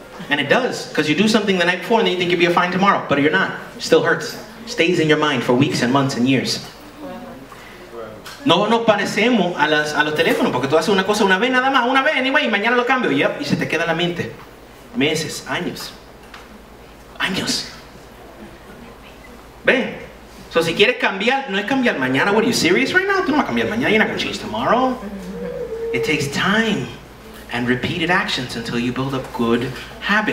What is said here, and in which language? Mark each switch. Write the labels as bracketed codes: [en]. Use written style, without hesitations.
[en] And it does because you do something the night before and then you think you'll be fine tomorrow. But you're not. It still hurts. Stays in your mind for weeks and months and years. [es] No nos parecemos a los teléfonos, porque tú haces una cosa una vez, nada más, una vez, anyway, y mañana lo cambio. Yep, y se te queda en la mente. Meses, años. Años. Ven. So si quieres cambiar, no es cambiar mañana. [en] What, are you serious right now? [es] Tú no vas a cambiar mañana, [en] you're not going to change tomorrow. It takes time and repeated actions until you build up good habits.